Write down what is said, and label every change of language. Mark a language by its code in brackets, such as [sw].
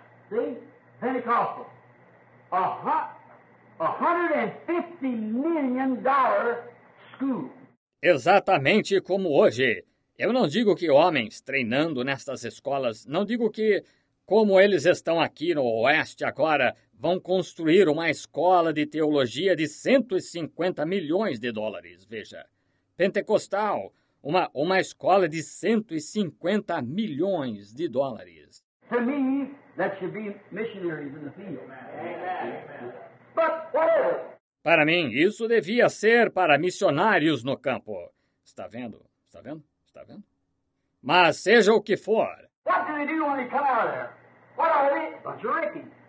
[en] See, Pentecostal, $150 million school. [pt] Exatamente como hoje. Eu não digo que homens treinando nestas escolas, não digo que como eles estão aqui no Oeste agora, vão construir uma escola de teologia de $150 milhões, veja. Pentecostal, uma escola de $150 milhões. [en] To me, that should be missionaries in the field. Amen. But whatever. [pt] Para mim, isso devia ser para missionários no campo. Está vendo? Está vendo? Está vendo? Mas seja o que for. [en] What do they do when they come out of there? What are they? Bunch of Ricky.